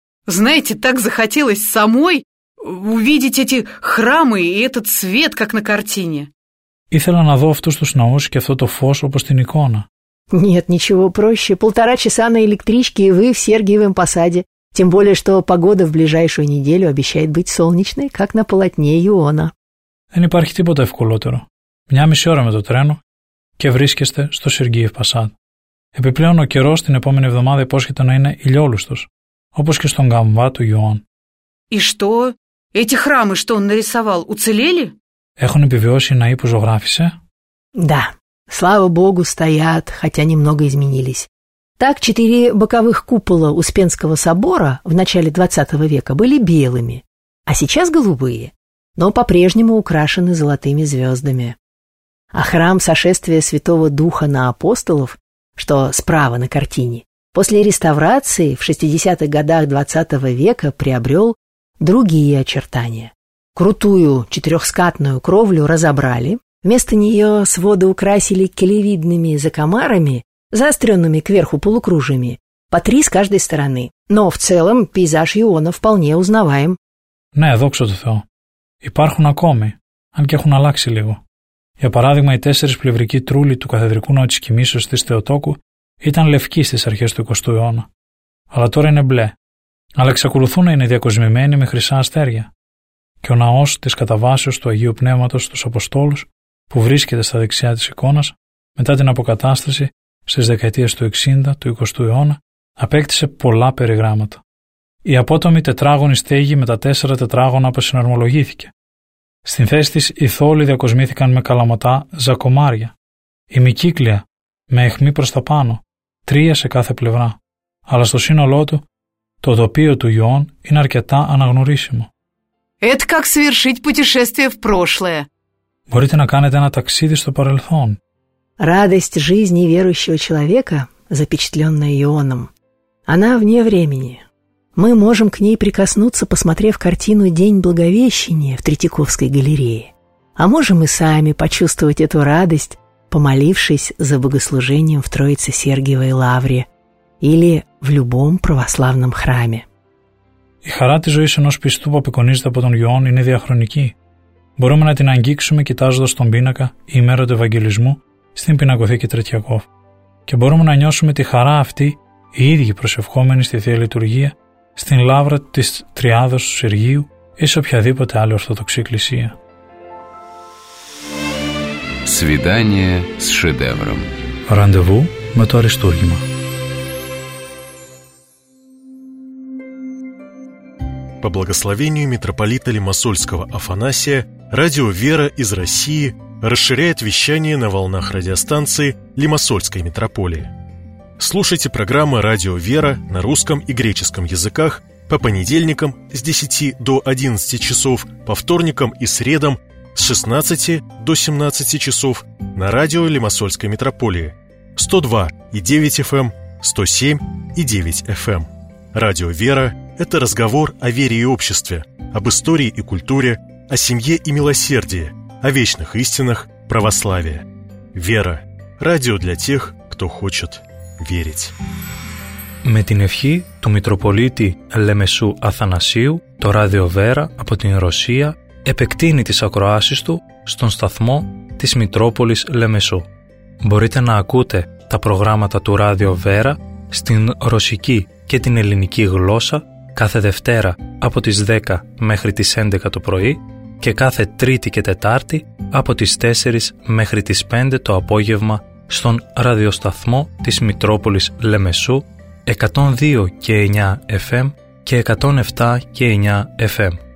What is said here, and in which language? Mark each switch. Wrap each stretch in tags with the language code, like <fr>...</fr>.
<ru>Знаете, так захотелось самой увидеть эти храмы и этот свет, как на картине.</ru> <el>Ήθελα να δω αυτούς τους ναούς και αυτό το φως όπως στην εικόνα.</el> <ru>Нет, ничего проще. 1,5 часа на электричке, и вы в Сергиевом Посаде. Тем более, что погода в ближайшую неделю обещает быть солнечной, как на полотне Иона.</ru> <el>Δεν υπάρχει τίποτα ευκολότερο. 1,5 ώρα με το τρένο και βρίσκεστε στο Σεργίεφ Πασάδ. Επιπλέον, ο καιρός την επόμενη εβδομάδα υπόσχεται να είναι ηλιόλουστος, όπως και στον Γαμβά του Ιωάν.</el> <ru>И что? Эти храмы, что он нарисовал, уцелели?</ru> <el>Έχουν επιβιώσει οι ναοί που ζωγράφησε?</el> <ru>Да. Слава Богу, стоят, хотя немного изменились. Так, 4 боковых купола Успенского собора в начале 20 века были белыми, а сейчас голубые, но по-прежнему украшены золотыми звездами. А храм сошествия Святого Духа на апостолов, что справа на картине, после реставрации в 60-х годах 20 века приобрел другие очертания. Крутую четырехскатную кровлю разобрали, вместо нее своды украсили келевидными закамарами, заостренными кверху полукружиями, по три с каждой стороны. Но в целом пейзаж Иона вполне узнаваем.</ru> <el>Ναι, δόξα τω Θεώ. Υπάρχουν ακόμη, αν και έχουν αλλάξει λίγο. Για παράδειγμα, οι τέσσερις πλευρικοί τρούλοι του καθεδρικού ναού της κοιμήσεως της Θεοτόκου ήταν λευκοί στις αρχές του 20ου αιώνα. Αλλά τώρα είναι μπλε. Αλλά εξακολουθούν να είναι διακοσμημένοι με χρυσά αστέρια. Και ο ναός της καταβάσεως του Αγίου Πνεύματος στους Αποστόλους, που βρίσκεται στα δεξιά της εικόνας, μετά την αποκατάσταση στις δεκαετίες του 60 του 20ου αιώνα, απέκτησε πολλά περιγράμματα. Η απότομη τετράγωνη στέγη με τα τέσσερα τετράγωνα αποσυναρμολογήθηκε. Στην θέση της οι θόλοι διακοσμήθηκαν με καλαμωτά ζακομάρια. Η μικύκλια με αιχμή προς τα πάνω, τρία σε κάθε πλευρά. Αλλά στο σύνολό του, το τοπίο του Ιών είναι αρκετά αναγνωρίσιμο.</el> <ru>Это как совершить путешествие в прошлое.</ru> <el>Μπορείτε να κάνετε ένα ταξίδι στο παρελθόν.</el> <ru>Радость жизни верующего человека, запечатленная Ионом, она вне времени. Мы можем к ней прикоснуться, посмотрев картину «День Благовещения» в Третьяковской галерее. А можем и сами почувствовать эту радость, помолившись за богослужением в Троице-Сергиевой лавре или в любом православном храме.</ru> <el>Η χαρά της ζωής ενός πιστού που απεικονίζεται από τον Ιωάν είναι διαχρονική. Μπορούμε να την αγγίξουμε κοιτάζοντας τον πίνακα ή ημέρα του Ευαγγελισμού στην Πινακοθήκη Τρετιακόφ. Και μπορούμε να νιώσουμε τη χαρά αυτή οι ίδιοι προσευχόμενοι στη Θεία Λειτουργία στην Λαύρα της Τριάδος του Σεργίου ή σε οποιαδήποτε άλλη Ορθοδοξή Εκκλησία.</el> <ru>Σβιντάνιε σ' σεντεύρομ.</ru> <el>Ραντεβού με το Αριστούργημα.</el> <ru>По благословению митрополита Лимассольского Афанасия, радио «Вера» из России расширяет вещание на волнах радиостанции Лимассольской митрополии. Слушайте программы «Радио «Вера» на русском и греческом языках по понедельникам с 10 до 11 часов, по вторникам и средам с 16 до 17 часов на радио Лимассольской митрополии 102.9 FM, 107.9 FM. Радио «Вера» – это разговор о вере и обществе, об истории и культуре, о семье и милосердии, о вечных истинах православия. «Вера» – радио для тех, кто хочет верить.</ru> <el>Με την ευχή του Μητροπολίτη Λεμεσού Αθανασίου, το Ράδιο Βέρα από την Ρωσία επεκτείνει τις ακροάσεις του στον σταθμό της Μητρόπολης Λεμεσού. Μπορείτε να ακούτε τα προγράμματα του Ράδιο Βέρα στην ρωσική και την ελληνική γλώσσα κάθε Δευτέρα από τις 10 μέχρι τις 11 το πρωί και κάθε Τρίτη και Τετάρτη από τις 4 μέχρι τις 5 το απόγευμα στον ραδιοσταθμό της Μητρόπολης Λεμεσού 102 και 9 FM και 107 και 9 FM.</el>